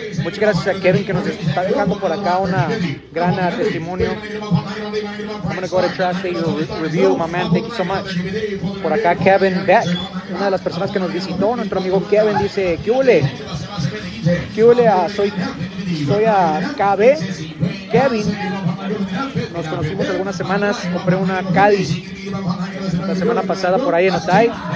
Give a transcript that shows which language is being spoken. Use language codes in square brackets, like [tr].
[es] Muchas gracias a Kevin que nos está dejando por acá una gran testimonio. [en] I'm going to go to translate your review, my man. Thank you so much. [es] Por acá, Kevin Beck, una de las personas que nos visitó. Nuestro amigo Kevin dice, ¿qué hule? ¿Qué hule? Soy a KB. Kevin, nos conocimos algunas semanas. Compré una Caddy la semana pasada por ahí en Otay.